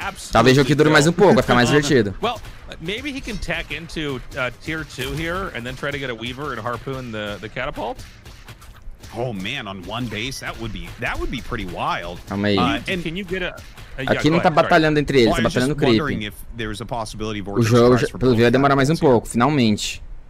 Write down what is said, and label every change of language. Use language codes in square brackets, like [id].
[pt] Talvez o jogo dure mais um pouco, vai ficar mais divertido. [en] Maybe he can tech into tier 2 here and then try to get a weaver and harpoon the catapult. Oh man, on one base, that would be pretty wild. [pt] Calma aí. [en] And can you get a [pt] aqui não tá batalhando entre eles, tá batalhando o creep. O jogo, pelo visto, vai demorar mais um pouco, finalmente.